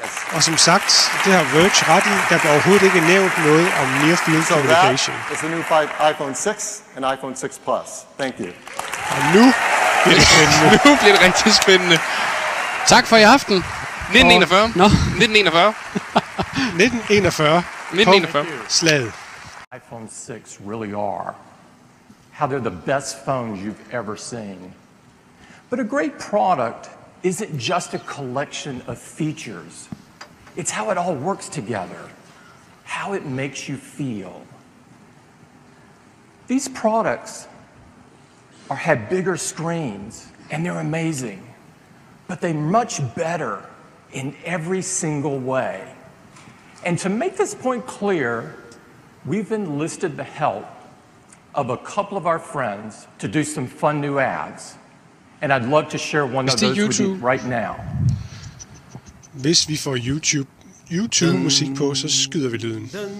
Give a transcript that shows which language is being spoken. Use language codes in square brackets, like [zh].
[da] Og som sagt, det har Verge ret i, der blev overhovedet ikke nævnt noget om near field communication. [en] So that is the new 5 iPhone 6 and iPhone 6 Plus. Thank you. [da] Og nu bliver det spændende. Nu bliver det rigtig spændende. Tak for i aften. 1941. Nå. 1941. 1941. 1941. Slaget. [en] iPhone 6 really are how they're the best phones you've ever seen. But a great product isn't just a collection of features. It's how it all works together, how it makes you feel. These products have bigger screens, and they're amazing, but they're much better in every single way. And to make this point clear, we've enlisted the help of a couple of our friends to do some fun new ads. And I'd love to share one of those with you right now. [da] Hvis vi får YouTube musik på, så skyder vi lyden.